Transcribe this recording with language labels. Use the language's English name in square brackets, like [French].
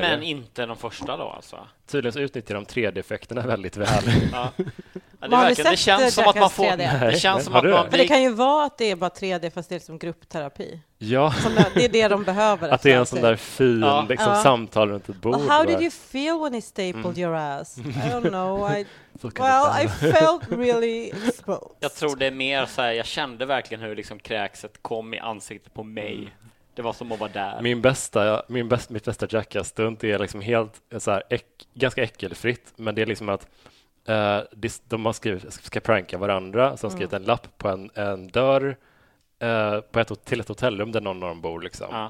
[Swedish] Men inte de första då, alltså. Tydligen så utnyttjar de 3D-effekterna väldigt väl. Det känns som att man får... Det kan ju vara att det är bara 3D, fast det är som gruppterapi. Ja. Det är det de behöver. Att det är en sån där fin liksom, samtal runt ett bord. [English] How did you feel when he stapled your ass? I don't know. I felt really exposed. [Swedish] Jag tror det är mer så här, jag kände verkligen hur liksom kräkset kom i ansiktet på mig. Det var som att vara där. Mitt bästa Jackass-stunt är liksom helt så här, ganska äckelfritt. Men det är liksom att de har skrivit, ska pranka varandra, så har skrivit en lapp på en dörr till ett hotellrum där någon av dem bor liksom.